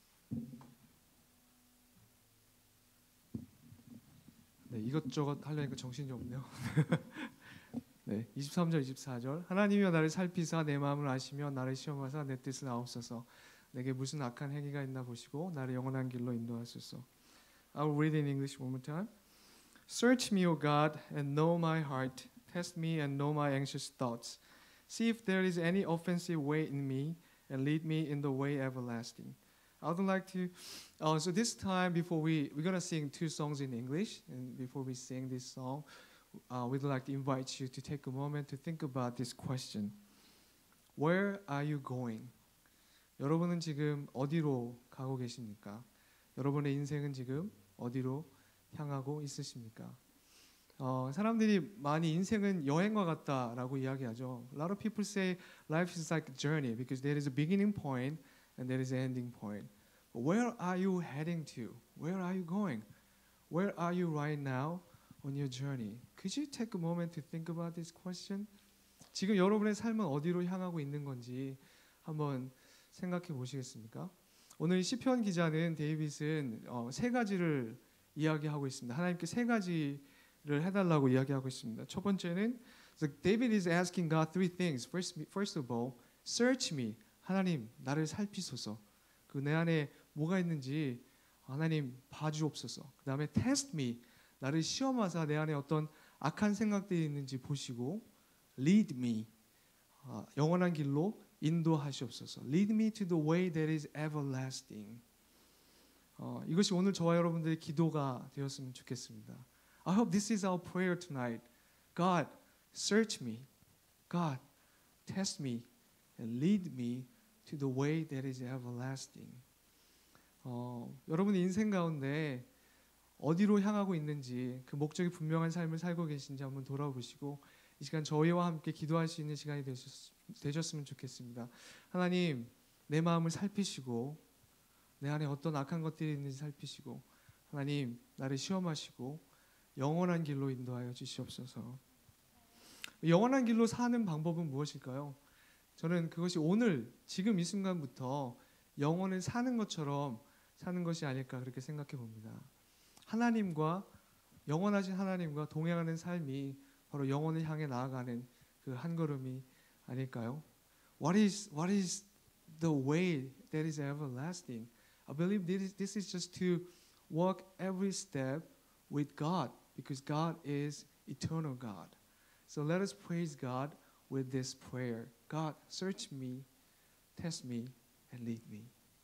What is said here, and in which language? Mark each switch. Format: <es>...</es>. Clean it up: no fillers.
<ko>네, 이것저것 하려니까 정신이 없네요. 네, 23절 24절 하나님이여 나를 살피사 내 마음을 아시며 나를 시험하사 내 뜻을 아옵소서. 내게 무슨 악한 행위가 있나 보시고 나를 영원한 길로 인도하소서.</ko> <en>I'll read in English one more time. Search me, O God, and know my heart. Test me and know my anxious thoughts. See if there is any offensive way in me, and lead me in the way everlasting. I would like to. So this time, before we're gonna sing two songs in English, and before we sing this song, we'd like to invite you to take a moment to think about this question: Where are you going?</en> <ko>여러분은 지금 어디로 가고 계십니까? 여러분의 인생은 지금 어디로 향하고 있으십니까? 사람들이 많이 인생은 여행과 같다라고 이야기하죠.</ko> <en>A lot of people say life is like a journey because there is a beginning point and there is an ending point. But where are you heading to? Where are you going? Where are you right now on your journey? Could you take a moment to think about this question?</en> <ko>지금 여러분의 삶은 어디로 향하고 있는 건지 한번 생각해 보시겠습니까? 오늘 시편 기자는 데이빗은 세 가지를 이야기하고 있습니다. 하나님께 세 가지를 해달라고 이야기하고 있습니다.</ko> <en>첫 번째는 so David is asking God three things. First of all, search me. 하나님, 나를 살피소서.</en> <ko>그 내 안에 뭐가 있는지 하나님 봐주옵소서. 그 다음에 test me. 나를 시험하사 내 안에 어떤 악한 생각들이 있는지 보시고 lead me. 영원한 길로 인도하시옵소서.</ko> <en>Lead me to the way that is everlasting.</en> <ko>이것이 오늘 저와 여러분들의 기도가 되었으면 좋겠습니다.</ko> <en>I hope this is our prayer tonight. God, search me. God, test me. And lead me to the way that is everlasting.</en> <ko>여러분의 인생 가운데 어디로 향하고 있는지 그 목적이 분명한 삶을 살고 계신지 한번 돌아보시고 이 시간 저희와 함께 기도할 수 있는 시간이 되셨으면 좋겠습니다. 하나님, 내 마음을 살피시고 내 안에 어떤 악한 것들이 있는지 살피시고 하나님, 나를 시험하시고 영원한 길로 인도하여 주시옵소서. 영원한 길로 사는 방법은 무엇일까요? 저는 그것이 오늘, 지금 이 순간부터 영원을 사는 것처럼 사는 것이 아닐까 그렇게 생각해 봅니다. 하나님과 영원하신 하나님과 동행하는 삶이 바로 영원을 향해 나아가는 그 한 걸음이 아닐까요?</ko> <en>What is the way that is everlasting? I believe this is just to walk every step with God because God is eternal God. So let us praise God with this prayer. God, search me, test me, and lead me.</en>